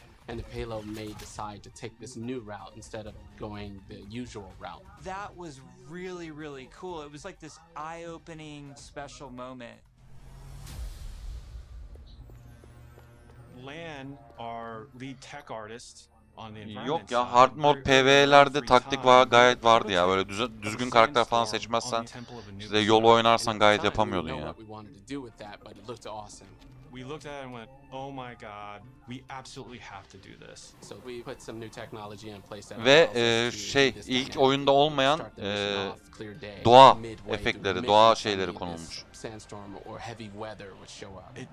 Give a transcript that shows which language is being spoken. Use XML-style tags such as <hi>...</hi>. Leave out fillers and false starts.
<en>And the payload may decide to take this new route instead of going the usual route. That was really, really cool. It was like this eye-opening special moment. Lan, our lead tech artist on the environment.</en> <tr>Yok ya, hard mode PvE'lerde taktik var, gayet vardı ya. Böyle düzgün karakter falan seçmezsen, işte yolu oynarsan gayet yapamıyordun ya.</tr> <en>We looked at it and went, "Oh my god, we absolutely have to do this." So we put some new technology in place that</en> <tr>ilk oyunda olmayan doğa efektleri, doğa şeyleri konulmuş.</tr> <en>Sandstorm or heavy weather would show up. It</en>